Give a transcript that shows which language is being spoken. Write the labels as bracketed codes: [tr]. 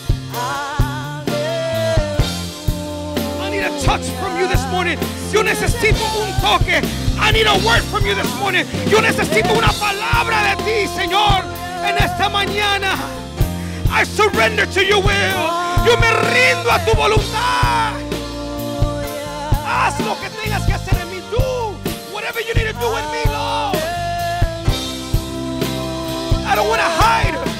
[en] I need a touch from you this morning. [es] Yo necesito un toque. [en] I need a word from you this morning. [es] Yo necesito una palabra de ti, Señor, en esta mañana. [en] I surrender to your will. [es] Yo me rindo a tu voluntad. Haz lo que tengas que hacer en mí. [en] Do whatever you need to do with me, Lord. I don't want to hide.